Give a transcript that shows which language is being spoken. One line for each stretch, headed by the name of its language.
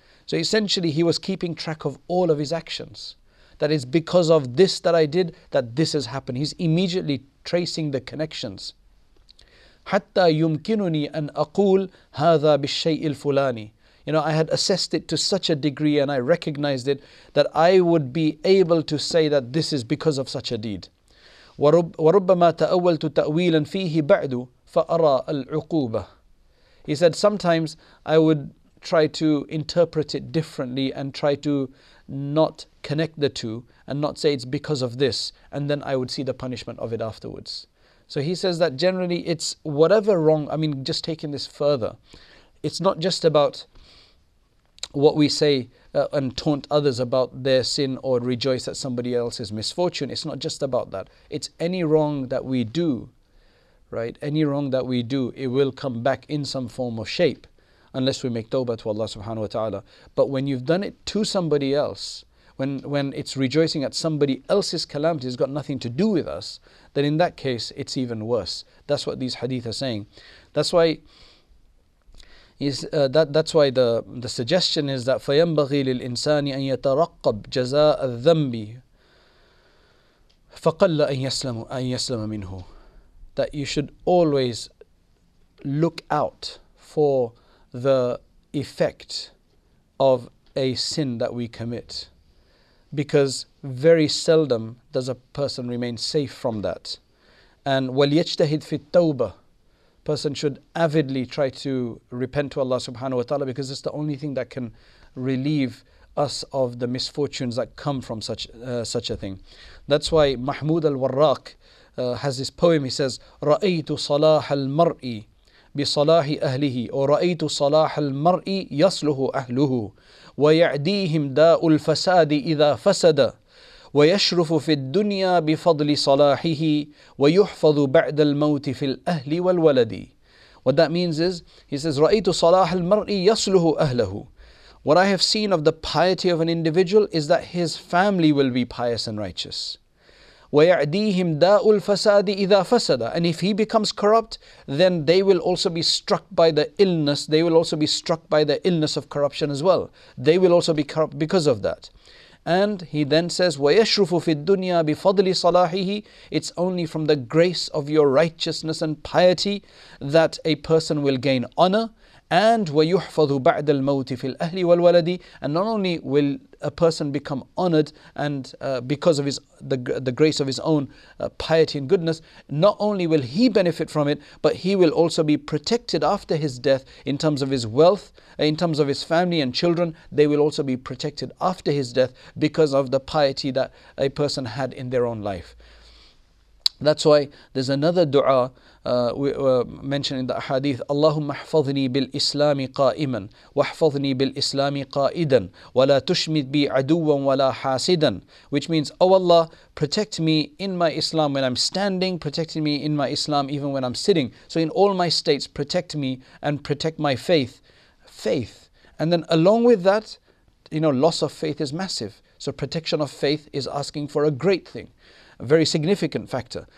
English: So essentially he was keeping track of all of his actions. That it's because of this that I did that this has happened. He's immediately tracing the connections.
Arabic: حَتَّى يُمْكِنُنِي أَنْ أَقُولَ هَذَا بِالشَّيْءِ الْفُلَانِ.
English: You know, I had assessed it to such a degree and I recognized it that I would be able to say that this is because of such a deed.
Arabic: وَرُبَّمَا تَأَوَّلْتُ تَأْوِيلًا فِيهِ بَعْدُ فَأَرَى الْعُقُوبَةِ.
English: He said, sometimes I would try to interpret it differently and try to not connect the two and not say it's because of this, and then I would see the punishment of it afterwards. So he says that generally it's whatever wrong, I mean, just taking this further, it's not just about what we say and taunt others about their sin or rejoice at somebody else's misfortune. It's not just about that. It's any wrong that we do, right? Any wrong that we do, it will come back in some form or shape unless we make tawbah to Allah subhanahu wa ta'ala. But when you've done it to somebody else, when it's rejoicing at somebody else's calamity, it's got nothing to do with us, then in that case, it's even worse. That's what these hadith are saying. That's why the suggestion is that
Arabic: فَيَنْبَغِي لِلْإِنسَانِ أَنْ يَتَرَقَّبْ جَزَاءَ الذَّنْبِ فَقَلَّ أَنْ يَسْلَمَ مِنْهُ.
English: That you should always look out for the effect of a sin that we commit, because very seldom does a person remain safe from that.
Arabic: And وَلْيَجْتَهِدْ فِي التَّوْبَةِ.
English: Person should avidly try to repent to Allah subhanahu wa ta'ala, because it's the only thing that can relieve us of the misfortunes that come from such a thing. That's why Mahmud al-Warraq has this poem. He says,
Arabic: رَأَيْتُ صَلَاحَ الْمَرْءِ بِصَلَاحِ أَهْلِهِ وَرَأَيْتُ صَلَاحَ الْمَرْءِ يَصْلُهُ أَهْلُهُ وَيَعْدِيهِمْ دَاءُ الْفَسَادِ إِذَا فَسَدَ ويشرف في الدنيا بفضل صلاحه ويحفظ بعد الموت في الأهل والولد.
English: What that means is, he says,
Arabic: رأيت صلاح المرء يصلح أهله.
English: What I have seen of the piety of an individual is that his family will be pious and righteous.
Arabic: ويعديهم داء الفساد إذا فسد.
English: And if he becomes corrupt, then they will also be struck by the illness. They will also be struck by the illness of corruption as well. They will also be corrupt because of that. And he then says,
Arabic: وَيَشْرُفُ فِي الدُّنْيَا بِفَضْلِ صَلَاحِهِ.
English: It's only from the grace of your righteousness and piety that a person will gain honor.
Arabic: And وَيُحْفَظُ بَعْدَ الْمَوْتِ فِي الْأَهْلِ وَالْوَلَدِ.
English: And not only will a person become honored and because of the grace of his own piety and goodness, not only will he benefit from it, but he will also be protected after his death in terms of his wealth, in terms of his family and children. They will also be protected after his death because of the piety that a person had in their own life. That's why there's another dua we were mentioning, the hadith,
Arabic: اللهم احفظني بالإسلام قائما واحفظني بالإسلام قائدا ولا تشمد بي عدوا ولا حاسدا.
English: Which means, oh Allah, protect me in my Islam when I'm standing, protect me in my Islam even when I'm sitting. So in all my states, protect me and protect my faith. Faith. And then along with that, you know, loss of faith is massive. So protection of faith is asking for a great thing, a very significant factor.